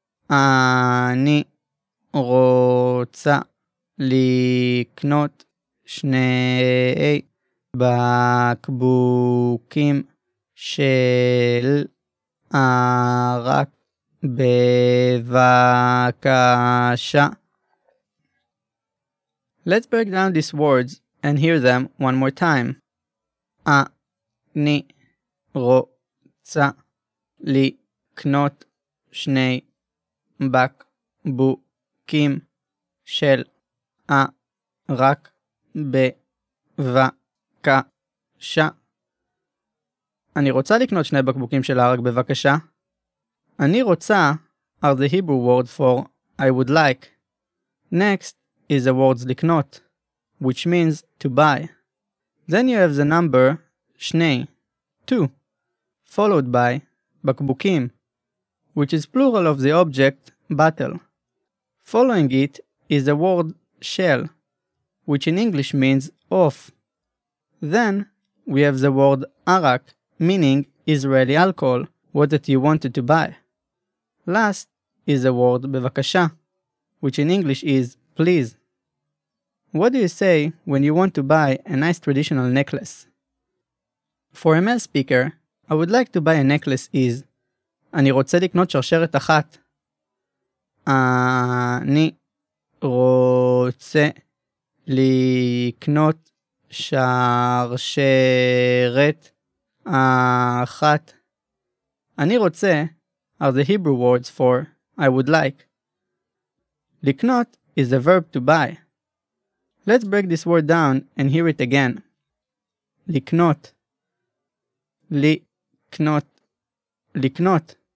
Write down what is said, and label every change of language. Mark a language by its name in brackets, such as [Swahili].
[Hebrew] אני רוצה לקנות 2 בקבוקים של ארק, בבקשה. [English] Let's break down these words and hear them one more time. [Hebrew] אני רוצה לקנות 2 בקבוקים של ארק, בבקשה. אני רוצה לקנות 2 בקבוקים של ארק, בבקשה. אני רוצה [English] are the Hebrew word for I would like. Next is the words לקנות, which means to buy. Then you have the number שני, 2, followed by בקבוקים, which is plural of the object battle. Following it is the word של, which in English means of. Then we have the word ארק, meaning Israeli alcohol, what that you wanted to buy. Last is the word בבקשה, which in English is please. What do you say when you want to buy a nice traditional necklace? For a male speaker, I would like to buy a necklace is [Hebrew] אני רוצה לקנות שרשרת אחת. אני רוצה לקנות שרשרת אחת. אני רוצה [English] are the Hebrew words for I would like. לקנות is the verb to buy. Let's break this word down and hear it again. [Hebrew] לקנות. לקנות. לקנות.